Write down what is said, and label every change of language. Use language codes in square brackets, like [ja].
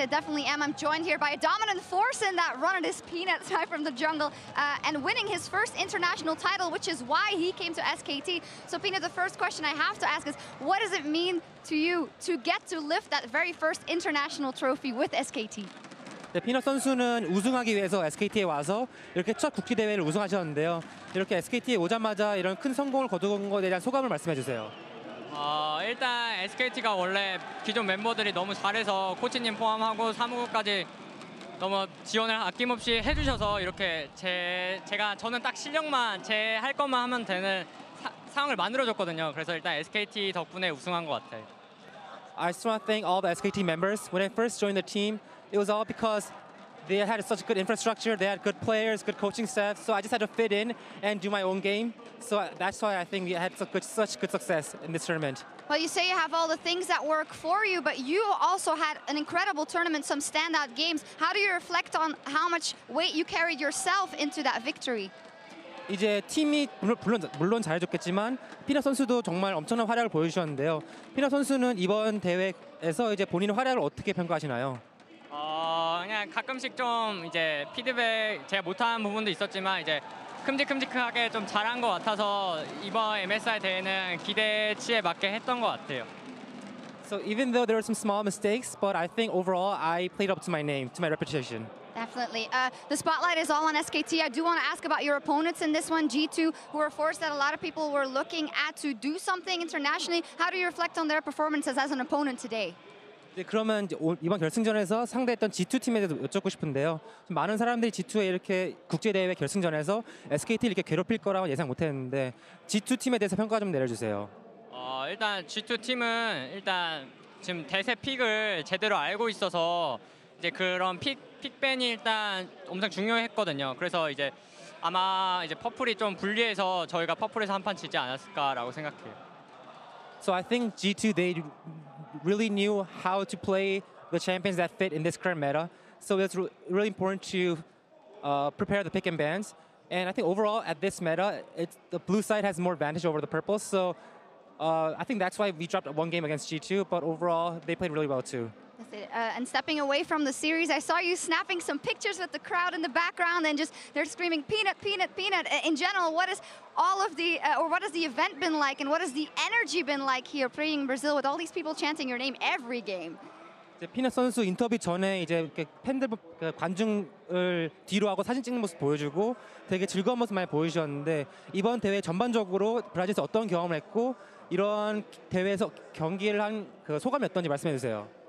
[en] I definitely am. I'm joined here by a dominant force in that run. It is Peanut Sai from the jungle and winning his first international title, which is why he came to SKT. So, Peanut, the first question I have to ask is, what does it mean to you to get to lift that very first international trophy with SKT? [ko] 네, 피넛 선수는 우승하기 위해서 SKT에 와서 이렇게 첫 국제 대회를 우승하셨는데요. 이렇게 SKT에 오자마자 이런 큰 성공을 거두는 것에 대한 소감을 말씀해 주세요. 일단 SKT가 원래 기존 멤버들이 너무 잘해서 코치님 포함하고 사무국까지 너무 지원을 아낌없이 해주셔서 이렇게 저는 딱 실력만 제 할 것만 하면 되는 상황을 만들어줬거든요. 그래서 일단 SKT 덕분에 우승한 것 같아요. [en] I just want to thank all the SKT members. When I first joined the team, it was all because they had such a good infrastructure. They had good players, good coaching staff. So I just had to fit in and do my own game. So that's why I think we had such good success in this tournament. Well, you say you have all the things that work for you, but you also had an incredible tournament, some standout games. How do you reflect on how much weight you carried yourself into that victory? [ko] 이제 팀이 물론 잘해줬겠지만 피넛 선수도 정말 엄청난 활약을 보여주셨는데요. 피넛 선수는 이번 대회에서 이제 본인의 활약을 어떻게 평가하시나요? 그냥 가끔씩 좀 이제 피드백 제가 못한 부분도 있었지만 이제 큼직큼직하게 좀 잘한 것 같아서 이번 MSI 대회는 기대치에 맞게 했던 것 같아요. [en] So even though there were some small mistakes, but I think overall I played up to my name, to my reputation. Definitely. The spotlight is all on SKT. I do want to ask about your opponents in this one, G2, who are a force that a lot of people were looking at to do something internationally. How do you reflect on their performances as an opponent today? [ko] 네, 그러면 이번 결승전에서 상대했던 G2 팀에 대해서 여쭙고 싶은데요. 많은 사람들이 G2에 이렇게 국제대회 결승전에서 SKT 이렇게 괴롭힐 거라고 예상 못했는데 G2 팀에 대해서 평가 좀 내려주세요. 일단 G2 팀은 일단 지금 대세 픽을 제대로 알고 있어서 이제 그런 픽밴이 일단 엄청 중요했거든요. 그래서 이제 아마 이제 퍼플이 좀 불리해서 저희가 퍼플에서 한 판 지지 않았을까라고 생각해요. [en] So I think G2 they really knew how to play the champions that fit in this current meta. So it's really important to prepare the pick and bans. And I think overall at this meta, the blue side has more advantage over the purple. So I think that's why we dropped one game against G2, but overall they played really well too. And stepping away from the series, I saw you snapping some pictures with the crowd in the background and just they're screaming Peanut, Peanut, Peanut. In general, what is all of the what has the event been like and what has the energy been like here playing in Brazil with all these people chanting your name every game? [ko] 이제 피넛 선수 인터뷰 전에 이제 팬들 관중을 뒤로 하고 사진 찍는 모습 보여주고 되게 즐거운 모습 많이 보여주셨는데 이번 대회 전반적으로 브라질에서 어떤 경험을 했고 이런 대회에서 경기를 한 그 소감이 어떤지 말씀해 주세요.